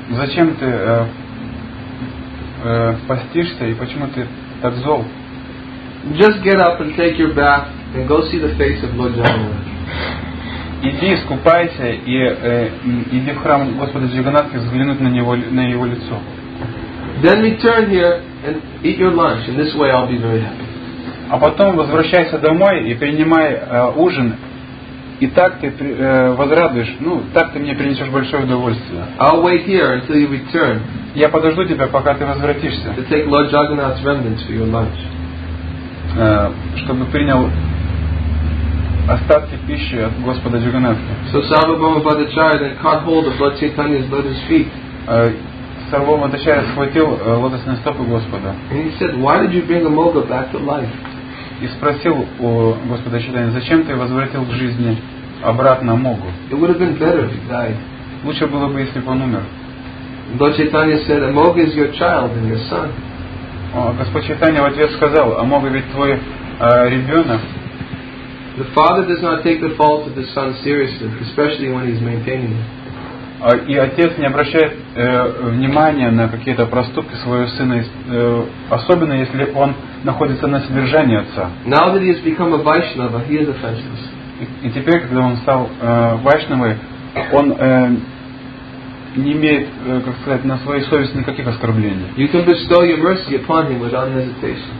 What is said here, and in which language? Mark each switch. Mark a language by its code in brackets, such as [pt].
[ru] Зачем ты постишься и почему ты так зол? [en] Just get up and take your bath and go see the face of Lord Jagannath. [ru] Иди, искупайся и иди в храм Господа Джаганнатха взглянуть на его лицо. [en] Then return here and eat your lunch. In this way, I'll be very happy. [ru] А потом возвращайся домой и принимай ужин. И так ты возрадуешь, ну, так ты мне принесешь большое удовольствие. [en] I'll wait here until you return. [ru] Я подожду тебя, пока ты возвратишься. [en] To take Lord Jagannath's remnants for your lunch. [ru] Чтобы принял остатки пищи от Господа Джаганнатха. [en] So Sarvabhauma Bhattacharya then caught hold of Lord Chaitanya's lotus feet. [ru] Sarvabhauma Bhattacharya схватил лотосные стопы Господа. [en] And he said, why did you bring Amoga back to life? [ru] И спросил у Господа Чайтанья, зачем ты возвратил к жизни обратно Амогу? [en] It would have been better if he died. [ru] Лучше было бы, если бы он умер. [en] Lord Chaitanya said, Amoga is your child and your son. [ru] Господь Чайтанья в ответ сказал, Амога ведь твой ребенок. [en] The father does not take the faults of the son seriously, especially when he's maintaining them. [ru] И отец не обращает внимания на какие-то проступки своего сына, особенно если он находится на содержании отца. [en] Now that he has become a Vaishnava, he is offenseless. [ru] И теперь, когда он стал Вайшнавой, он не имеет, как сказать, на своей совести никаких оскорблений. [en] You can bestow your mercy upon him without hesitation.